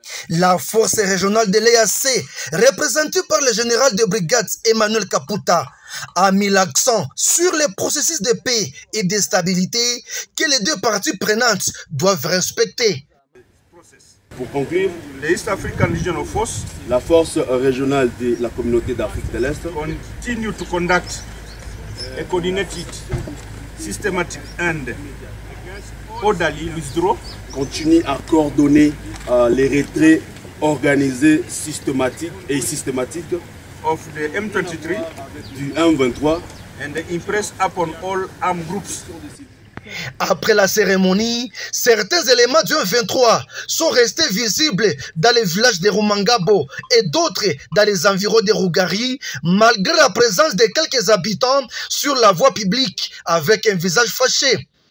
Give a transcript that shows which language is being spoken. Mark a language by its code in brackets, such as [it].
[fr] La force régionale de l'EAC, représentée par le général de brigade Emmanuel Kaputa, a mis l'accent sur les processus de paix et de stabilité que les deux parties prenantes doivent respecter. Pour conclure, l'East African Regional Force, la force régionale de la communauté d'Afrique de l'Est, [en] continue to conduct a coordinated, systematic and orderly withdrawal. [fr] Continue à coordonner les retraits organisés systématiques et systématiques [en] of the M23 [fr] du M23 [en] and the impress upon all armed groups. [fr] Après la cérémonie, certains éléments du M23 sont restés visibles dans les villages de Rumangabo et d'autres dans les environs de Rugari, malgré la présence de quelques habitants sur la voie publique avec un visage fâché.